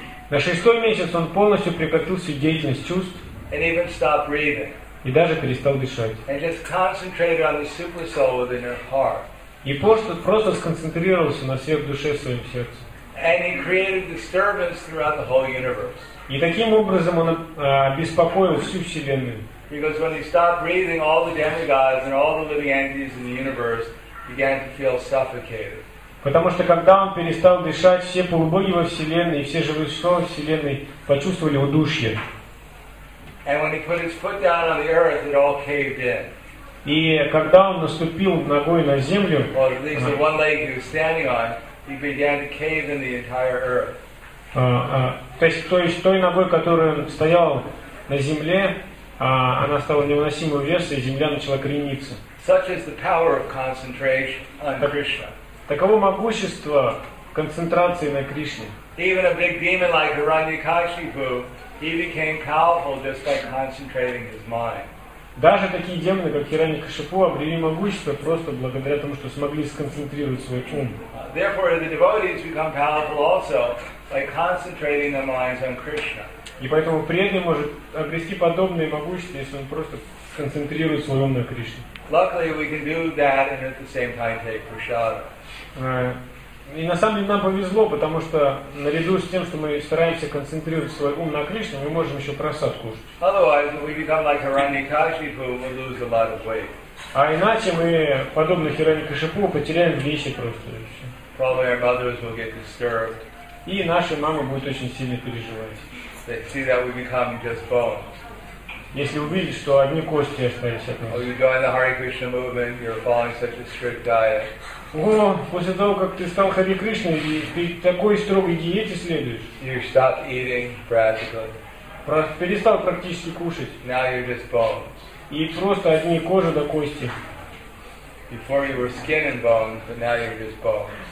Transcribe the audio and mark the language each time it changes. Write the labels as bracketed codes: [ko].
[ru] На шестой месяц он полностью прекратил всю деятельность чувств. [en] And even stopped breathing. [ru] И даже перестал дышать. [en] And just concentrated on the super soul within his heart. [ru] И просто сконцентрировался на всех душе в своем сердце. [en] And he created disturbance throughout the whole universe. [ru] И таким образом он обеспокоил всю вселенную. [en] Because when he stopped breathing, all the demigods and all the living entities in the universe began to feel suffocated. [ru] Потому что когда он перестал дышать, все полубоги во вселенной и все живые существа во вселенной почувствовали удушье. [en] And when he put his foot down on the earth, it all caved in. [ru] И когда он наступил ногой на землю, [en] or at least the one leg he was standing on, he began to cave in the entire earth. [ru] То есть той ногой, которую он стоял на земле, она стала невыносимым весом, и земля начала крениться. [en] Such is the power of concentration on Krishna. [ru] Таково могущество концентрации на Кришне. [en] Even a big demon like Hiranyakashipu, he became powerful just by concentrating his mind. [ru] Даже такие демоны, как Хираньякашипу, обрели могущество просто благодаря тому, что смогли сконцентрировать свой ум. [en] Therefore, the devotees become powerful also by concentrating their minds on Krishna. [ru] И поэтому преданный может обрести подобное могущество, если он просто сконцентрирует свой ум на Кришне. [en] Luckily, we can do that and at the same time take prasada. [ru] И на самом деле нам повезло, потому что наряду с тем, что мы стараемся концентрировать свой ум на Кришне, мы можем еще прасад кушать. [en] Otherwise, we become like Hiranyakashipu, we lose a lot of weight. [ru] А иначе мы, подобно Хираньякашипу, потеряем вещи просто еще. [en] Probably our mothers will get disturbed. [ru] И наши мамы будут очень сильно переживать. [en] They see that we become just bones. [ru] Если увидеть, что одни кости остались от нас. [en] Oh, you join the Hare Krishna movement, you're following such a strict diet. [ru] О, после того, как ты стал Хари Кришной, ты такой строгой диете следуешь. [en] You stop eating practically. [ru] Перестал практически кушать. [en] Now you're just bones. [ru] И просто одни кожа до кости. [en] Before you were skin and bones, but now you're just bones.